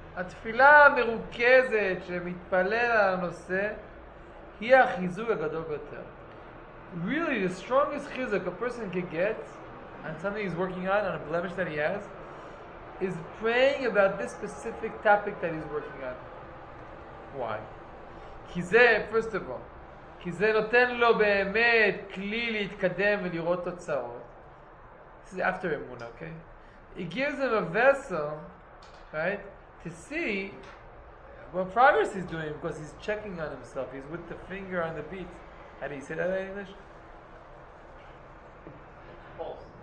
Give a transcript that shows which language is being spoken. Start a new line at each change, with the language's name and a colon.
Hebrew: התפילה המרוכזת שמתפלל על הנושא היא החיזוק הגדול ביותר.
English: Really, the strongest chizuk a person can get on something he's working on a blemish that he has, is praying about this specific topic that he's working on. Why?
Hebrew: כי זה,
English: first of all,
Hebrew: כי זה נותן לו באמת כלי להתקדם ולראות תוצאות.
English: This is after אמונה, okay? It gives him a vessel, right? To see what progress he's doing, because he's checking on himself. He's with the finger on the beat. How do you say that in English? Pulse.